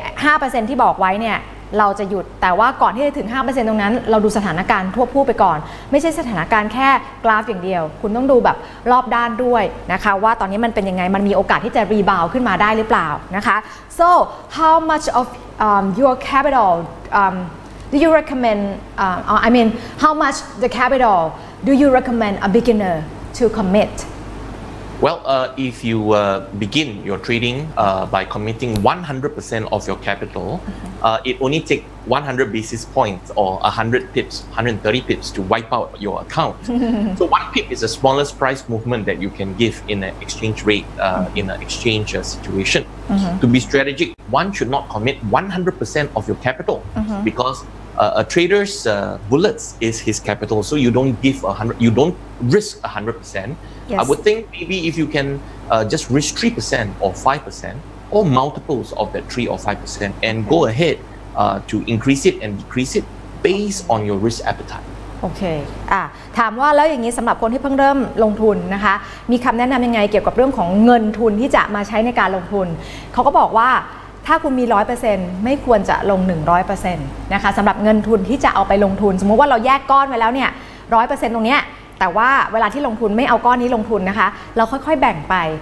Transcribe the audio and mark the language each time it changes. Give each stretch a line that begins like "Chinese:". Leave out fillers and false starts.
Thai: 5% ที่บอกไว้เนี่ยเราจะหยุดแต่ว่าก่อนที่จะถึง 5% ตรงนั้นเราดูสถานการณ์ทั่วผู้ไปก่อนไม่ใช่สถานการณ์แค่กราฟอย่างเดียวคุณต้องดูแบบรอบด้านด้วยนะคะว่าตอนนี้มันเป็นยังไงมันมีโอกาสที่จะ rebound ขึ้นมาได้หรือเปล่านะคะ
English: so how much of your capital do you recommend I mean how much the capital do you recommend a beginner to commit Well, if you begin your trading by committing 100% of your capital, it only take 100 basis points or 100 pips, 130 pips to wipe out your account. So one pip is the smallest price movement that you can give in an exchange rate, in an exchange situation. Mm-hmm. To be strategic, one should not commit 100% of your capital mm-hmm. because a trader's bullets is his capital. So you don't give 100, you don't risk 100%. Yes. I would think maybe if you can just risk 3% or 5% or multiples of that 3 or 5% and go ahead to increase it and decrease it based on your risk appetite. Okay.
Thai: ถามว่าแล้วอย่างนี้สำหรับคนที่เพิ่งเริ่มลงทุนนะคะมีคำแนะนำยังไงเกี่ยวกับเรื่องของเงินทุนที่จะมาใช้ในการลงทุนเขาก็บอกว่า ถ้าคุณมี 100% ไม่ควรจะลง 100% นะคะสำหรับเงินทุนที่จะเอาไปลงทุนสมมติว่าเราแยกก้อนไว้แล้วเนี่ย 100% ตรงเนี้ยแต่ว่าเวลาที่ลงทุนไม่เอาก้อนนี้ลงทุนนะคะเราค่อยๆแบ่งไป